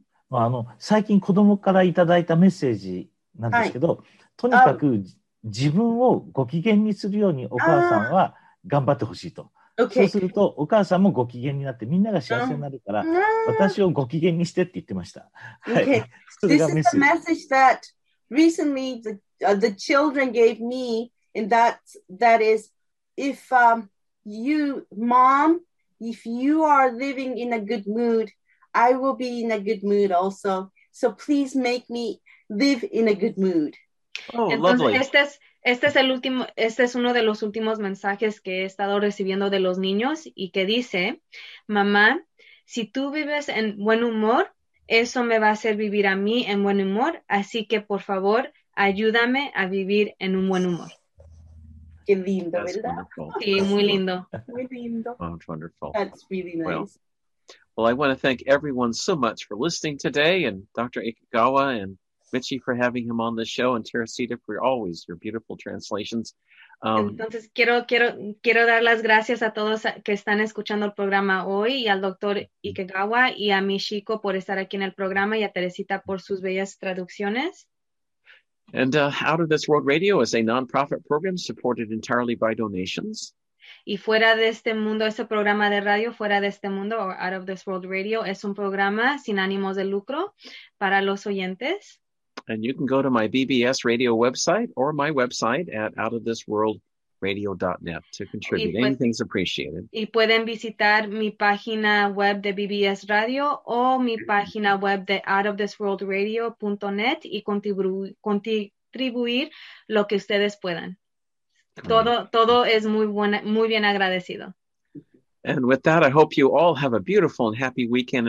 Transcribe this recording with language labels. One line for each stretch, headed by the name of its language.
Japanese: まあ、あの最近子供からいただいたメッセージなんですけど、はい、とにかく自分をご機嫌にするようにお母さんは頑張ってほしいと、
English: okay.
Japanese: そうするとお母さんもご機嫌になってみんなが幸せになるから私をご機嫌にしてって言ってました、はい okay.
English: This is the message that recently the children gave me and that is if you mom if you are living in a good moodI will be in a good mood also. So please make me live in a good mood. Oh, entonces, lovely.
Spanish: Este es uno de los últimos mensajes que he estado recibiendo de los niños y que dice, mamá, si tú vives en buen humor, eso me va a hacer vivir a mí en buen humor. Así que, por favor, ayúdame a vivir en un buen humor. Qué lindo, That's ¿verdad?
English: Wonderful. Sí,
Spanish: muy lindo. Muy lindo.
English: Oh, wonderful. That's really nice. Well, I want to thank everyone so much for listening today and Dr. Ikegawa and Michi for having him on the show and Teresita for always your beautiful translations.
Spanish: Entonces, quiero dar las gracias a todos que están escuchando el programa hoy y al Dr. Ikegawa y a Michiko por estar aquí en el programa y a Teresita por sus bellas traducciones.
English: And Out of This World Radio is a non-profit program supported entirely by donations.
Spanish: Y fuera de este mundo, ese programa de radio, fuera de este mundo, or Out of This World Radio, es un programa sin ánimos de lucro para los oyentes.
English: And you can go to my BBS radio website or my website at outoftheworldradio.net to contribute. Anything's appreciated.
Spanish: Y pueden visitar mi página web de BBS Radio o mi página web de outoftheworldradio.net y contribuir lo que ustedes puedan. Todo es muy buena, muy bien agradecido.
English: And with that, I hope you all have a beautiful and happy weekend.